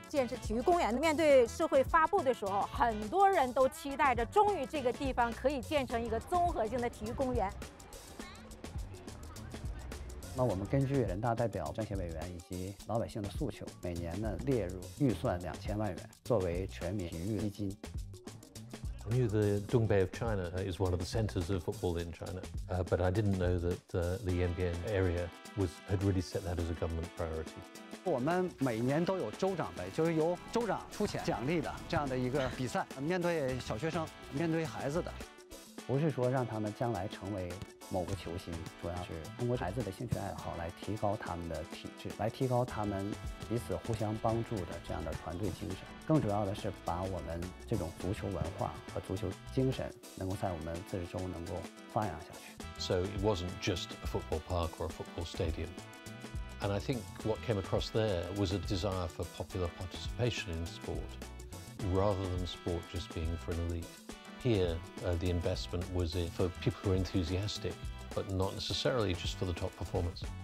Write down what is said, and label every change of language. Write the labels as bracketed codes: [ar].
[zh] 建设体育公园面对社会发布的时候，很多人都期待着终于这个地方可以建成一个综合性的体育公园。那我们根据人大代表、政协委员以及老百姓的诉求，每年呢列入预算2000万元作为全民体育基金。 [en] I knew the Dongbei of China is one of the centers of football in China, but I didn't know that the Yanbian area had really set that as a government priority. [zh] 我们每年都有州长杯，就是由州长出钱奖励的这样的一个比赛，面对小学生，面对孩子的，不是说让他们将来成为某个球星，主要是通过孩子的兴趣爱好来提高他们的体质，来提高他们彼此互相帮助的这样的团队精神。更主要的是把我们这种足球文化和足球精神能够在我们自治州能够发扬下去。 [en] So it wasn't just a football park or a football stadium. And I think what came across there was a desire for popular participation in sport, rather than sport just being for an elite. Here, the investment was in for people who are enthusiastic, but not necessarily just for the top performers.